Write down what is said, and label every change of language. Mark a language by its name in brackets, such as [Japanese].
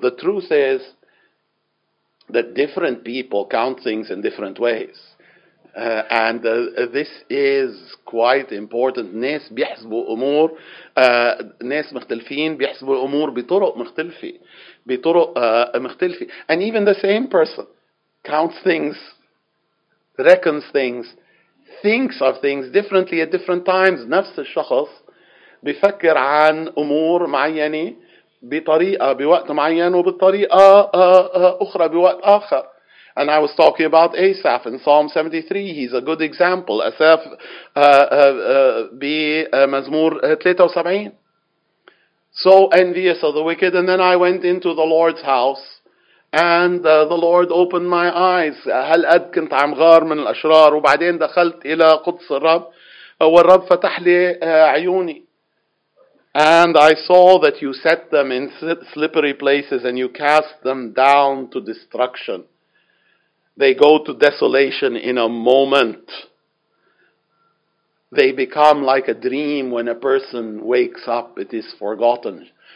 [English] The truth is that different people count things in different ways. And this is quite important. [Arabic] ناس بيحسبوا أمور, ناس مختلفين بيحسبوا الأمور بطرق مختلفة, بطرق مختلفة. [English] And even the same person counts things, reckons things, thinks of things differently at different times. [Arabic] نفس الشخص بيفكر عن أمور معينة بطريقة بوقت معين وبالطريقة أخرى بوقت آخر. [English] And I was talking about Asaph in Psalm 73. He's a good example. [Arabic] Asaph be Mazmur 73. [English] So envious of the wicked. And then I went into the Lord's house. And the Lord opened my eyes. [Arabic] هل قد كنت عم غار من الأشرار وبعدين دخلت إلى قدس الرب والرب فتح لي عيوني. [English] And I saw that you set them in slippery places and you cast them down to destruction. They go to desolation in a moment. They become like a dream when a person wakes up, it is forgotten.